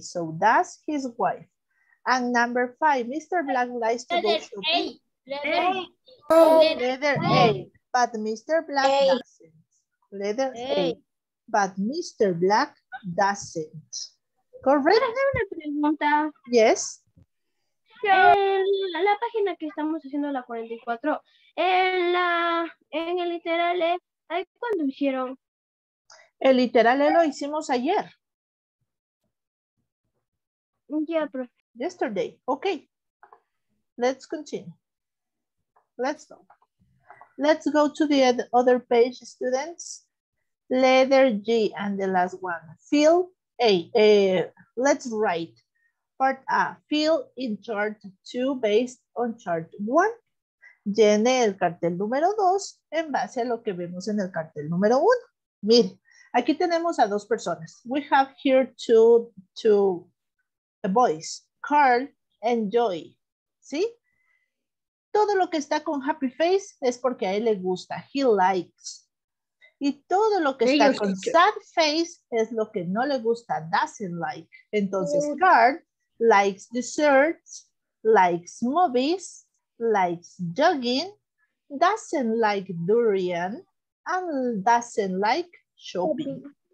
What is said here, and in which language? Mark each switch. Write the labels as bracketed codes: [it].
[en] So does his wife. And number 5. Mr. Black likes to letter go shopping. A. Letter A. Letter A. But Mr. Black doesn't. Letter A. But Mr. Black doesn't. Correct. [es] ¿Puedo hacer una pregunta? [en] Yes. [es] La página que estamos haciendo, la 44, en el literal, ¿cuándo hicieron? El literal lo hicimos ayer. [en] Yeah, profe. Yesterday. Okay. Let's continue. Let's go. Let's go to the other page, students. Letter G and the last one. Fill A. Let's write. Part A. Fill in chart 2 based on chart 1. [es] Llene el cartel número 2 en base a lo que vemos en el cartel número 1. Mire, aquí tenemos a dos personas. [en] We have here two boys, Carl and Joy. [es] ¿Sí? Todo lo que está con happy face es porque a él le gusta. [en] He likes. [es] Y todo lo que está con sad face es lo que no le gusta. [en] Doesn't like. [es] Entonces, [en] Carl likes desserts, likes movies, likes jogging, doesn't like durian, and doesn't like shopping.